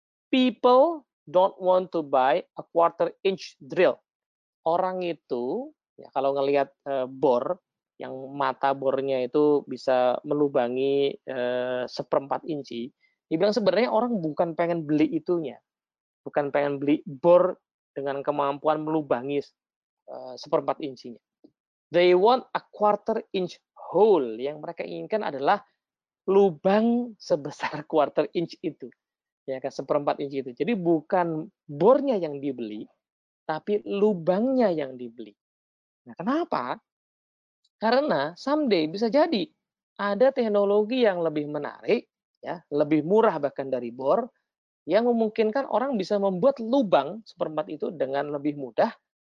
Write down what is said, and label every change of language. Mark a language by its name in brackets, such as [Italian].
[English] People don't want to buy a quarter inch drill. [Indonesian] Orang itu ya kalau ngelihat bor yang mata bornya itu bisa melubangi seperempat inci, dibilang sebenarnya orang bukan pengen beli itunya. Bukan pengen beli bor dengan kemampuan melubangi seperempat incinya. [English] They want a quarter inch hole. [Indonesian] Yang mereka inginkan adalah lubang sebesar [English] quarter inch [Indonesian] itu. Ya kan, seperempat inci itu. Jadi bukan bornya yang dibeli, tapi lubangnya yang dibeli. Nah, kenapa? Karena someday bisa jadi ada teknologi yang lebih menarik, ya, lebih murah bahkan dari bor, yang memungkinkan orang bisa membuat lubang seperempat itu dengan lebih mudah.